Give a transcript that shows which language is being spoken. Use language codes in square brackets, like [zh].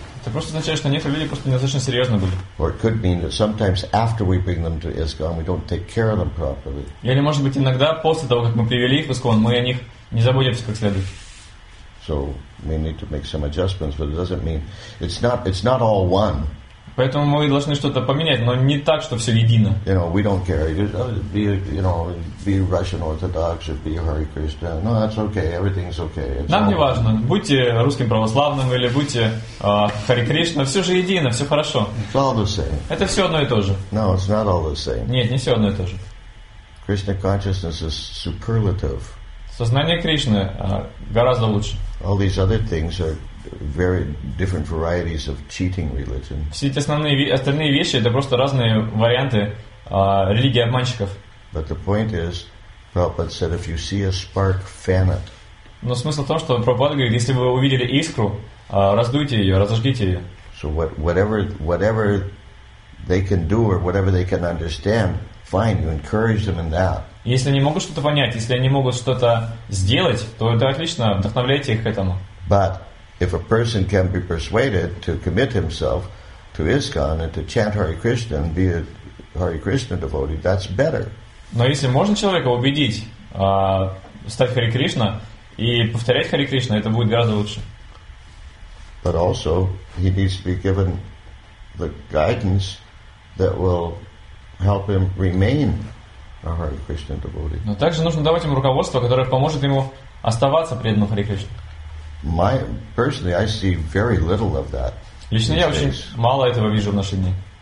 [ru] Это просто означает, что некоторые люди просто недостаточно серьезно были. [en] Or it could mean that sometimes after we bring them to ISKCON, we don't take care of them properly. [ru] Или может быть иногда после того, как мы привели их в ИСКОН, мы о них не заботимся как следует. [en] So we need to make some adjustments, but it doesn't mean it's not all one. [ru] Поэтому мы должны что-то поменять, но не так, что все едино. [en] You know, we don't care. Be Russian Orthodox, be Hare Krishna. No, that's okay. Everything's okay. [ru] Нам не важно. Будьте русским православным или будьте Hare Krishna. Все же едино, все хорошо. [en] It's all the same. [ru] Это все одно и то же. [en] No, it's not all the same. [ru] Нет, не все одно и то же. [en] Krishna consciousness is superlative. [ru] Сознание Кришны гораздо лучше. [en] All these other things are very different varieties of cheating religion. [ru] Все эти остальные вещи это просто разные варианты религии обманщиков. [en] But the point is, Prabhupada said, if you see a spark, fan it. [ru] Но смысл в том, что Прабхупада говорит, если вы увидели искру, раздуйте ее, разожгите ее. [en] So whatever they can do or whatever they can understand, fine, you encourage them in that. [ru] Если они могут что-то понять, если они могут что-то сделать, то это отлично, вдохновляйте их к этому. [en] But if a person can be persuaded to commit himself to ISKCON and to chant Hare Krishna and be a Hare Krishna devotee, that's better. [ru] Но если можно человека убедить стать Хари Кришна и повторять Хари Кришна, это будет гораздо лучше. [en] But also he needs to be given the guidance that will help him remain a Hare Krishna devotee. [ru] Но также нужно давать ему руководство, которое поможет ему оставаться преданным Хари Кришне. [en] Personally, I see very little of that. [ru] Лично я очень мало этого вижу в наши дни.